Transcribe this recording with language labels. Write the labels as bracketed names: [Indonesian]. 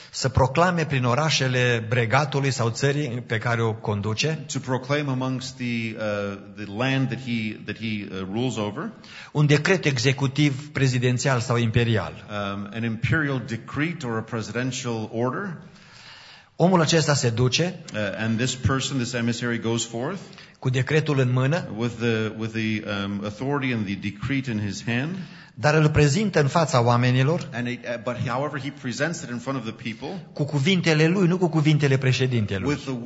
[Romanian] să proclame prin orașele bregatului sau țării pe care o conduce, [English] to proclaim amongst the land that he rules over, [Romanian] un decret executiv prezidențial sau imperial, [English] an imperial decree or a presidential order. [Romanian] Omul acesta se duce, [English] and this person, this emissary, goes forth, [Romanian] cu decretul în mână, [English] with the authority and the decree in his hand, [Romanian] dar îl prezintă în fața oamenilor, [English] however he presents it in front of the people, [Romanian] cu cuvintele lui, nu cu cuvintele președintelui,